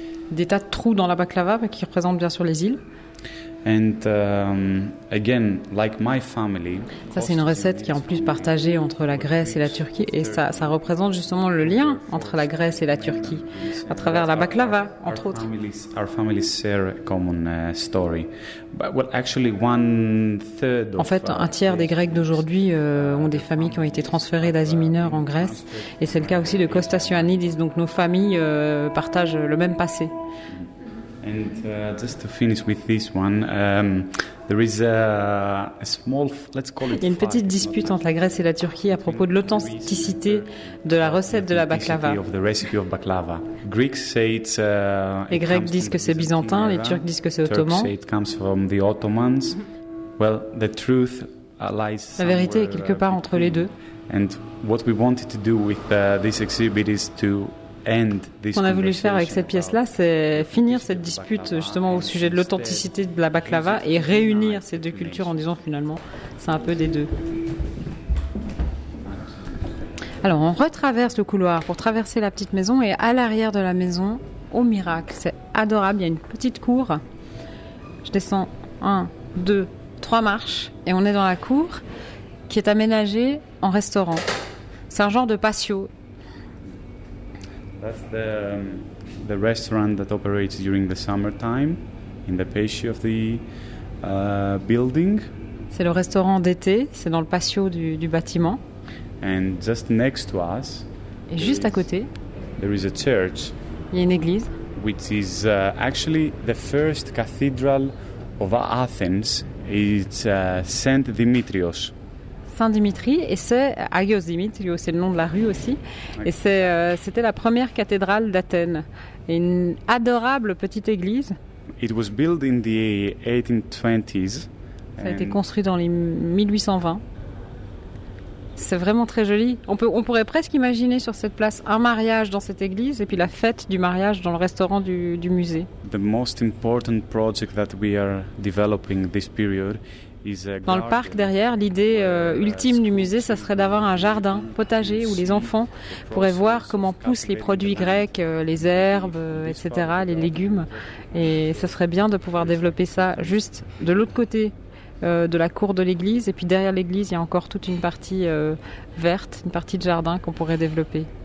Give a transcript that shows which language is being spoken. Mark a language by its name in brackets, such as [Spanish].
[French] Des tas de trous dans la baklava qui représentent bien sûr les îles. [English] And again, like my family, [French] ça c'est une recette qui est en plus partagée entre la Grèce et la Turquie, et ça représente justement le lien entre la Grèce et la Turquie à travers la baklava, entre autres. [English] Our families share a common story, but well, actually, one third. [French] En fait, un tiers des Grecs d'aujourd'hui ont des familles qui ont été transférées d'Asie Mineure en Grèce, et c'est le cas aussi de Kostas Ioannidis. Donc nos familles partagent le même passé. [English] And just to finish with this one, there is a small, let's call it. [French] Il y a une petite dispute entre la Grèce et la Turquie à propos de l'authenticité de la recette de la baklava. [English] Of the recipe of baklava. Greeks say it's. [French] Les Grecs disent que c'est byzantin. Les Turcs disent que c'est ottoman. [English] Turks say it comes from the Ottomans. Well, the truth lies. [French] La vérité est quelque part entre les deux. [English] And what we wanted to do with this exhibit is to. [French] Ce qu'on a voulu faire avec cette pièce-là, c'est finir cette dispute justement au sujet de l'authenticité de la baklava et réunir ces deux cultures en disant finalement, c'est un peu des deux. Alors, on retraverse le couloir pour traverser la petite maison et à l'arrière de la maison, au miracle, c'est adorable, il y a une petite cour. Je descends 1, 2, 3 marches et on est dans la cour qui est aménagée en restaurant. C'est un genre de patio. [English] That's the restaurant that operates during the summertime in the patio of the building. [French] C'est le restaurant d'été, c'est dans le patio du bâtiment. [English] And just next to us. [French] Et juste à côté. [English] There is a church. [French] Il y a une église. [English] Which is actually the first cathedral of Athens. It's Saint Dimitrios. [French] Saint-Dimitri, et c'est Agios Dimitrios, c'est le nom de la rue aussi, et c'était la première cathédrale d'Athènes, et une adorable petite église. [English] It was built in the 1820s. [French] Ça a été construit dans les 1820. C'est vraiment très joli. On pourrait presque imaginer sur cette place un mariage dans cette église et puis la fête du mariage dans le restaurant du musée. [English] The most important project that we are developing this period. [French] Dans le parc derrière, l'idée ultime du musée, ça serait d'avoir un jardin potager où les enfants pourraient voir comment poussent les produits grecs, les herbes, etc., les légumes. Et ça serait bien de pouvoir développer ça juste de l'autre côté de la cour de l'église. Et puis derrière l'église, il y a encore toute une partie verte, une partie de jardin qu'on pourrait développer.